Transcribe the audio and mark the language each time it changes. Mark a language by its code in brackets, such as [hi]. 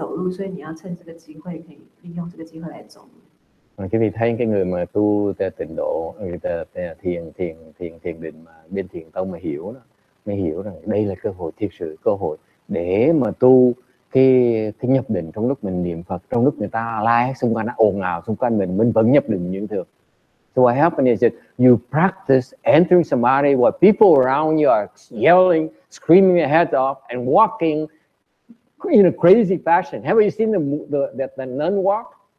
[zh] 因为禅修的时候你不会没有机会走路，所以你要趁这个机会可以利用这个机会来走路。 [vi] Quý vị thấy cái người mà tu tịnh độ, người ta thiền định mà bên thiền tông mà hiểu đó, mới hiểu rằng đây là cơ hội thiệt sự, cơ hội để mà tu cái nhập định trong lúc mình niệm Phật, trong lúc người ta la hét xung quanh, ồn ào xung quanh mình vẫn nhập định như thường. [en] So what happened is you practice entering samadhi while people around you are yelling, screaming their heads off and walking in a crazy fashion. Have you seen the nun walk?